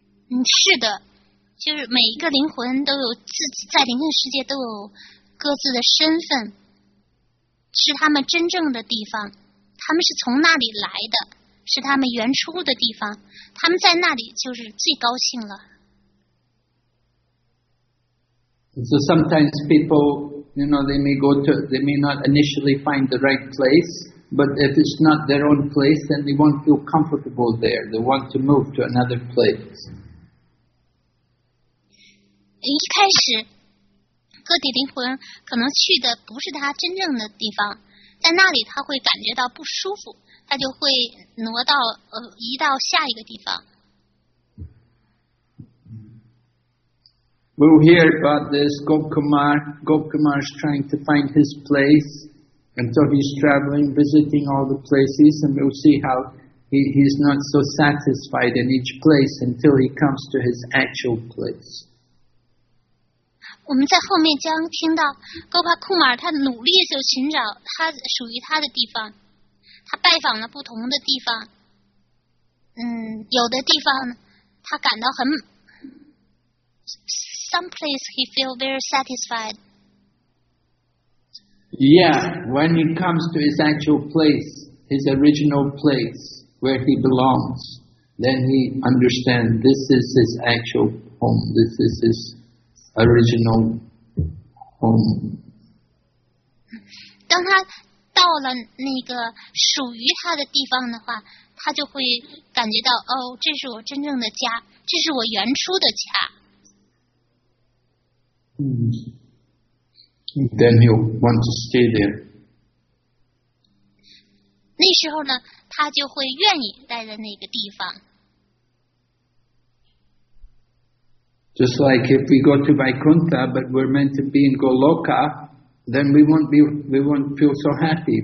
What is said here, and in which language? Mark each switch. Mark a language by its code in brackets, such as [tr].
[zh] 是的，就是每一个灵魂都有自己在灵魂世界都有各自的身份，是他们真正的地方，他们是从那里来的，是他们原初的地方，他们在那里就是最高兴了。 [en] So sometimes people, you know, they may not initially find the right place, but if it's not their own place, then they won't feel comfortable there. They want to move to another place. [zh] 一开始，个体灵魂可能去的不是他真正的地方，在那里他会感觉到不舒服，他就会移到下一个地方。 [en] We'll hear about this, Gopkumar's trying to find his place, and so he's traveling, visiting all the places, and we'll see how he's not so satisfied in each place until he comes to his actual place. [zh] 我们在后面将听到 Gopkumar 他努力地寻找他属于他的地方，他拜访了不同的地方，有的地方他感到很 [en] Some place he feels very satisfied. Yeah, when he comes to his actual place, his original place where he belongs, then he understands this is his actual home, this is his original home. [zh] 当他, 到了那个属于他的地方的话，他就会感觉到，哦，这是我真正的家，这是我原初的家。 [en] Then he'll want to stay there. [zh] 那时候呢，他就会愿意待在那个地方。 [en] Just like if we go to Vaikuntha, but we're meant to be in Goloka, then we won't feel so happy.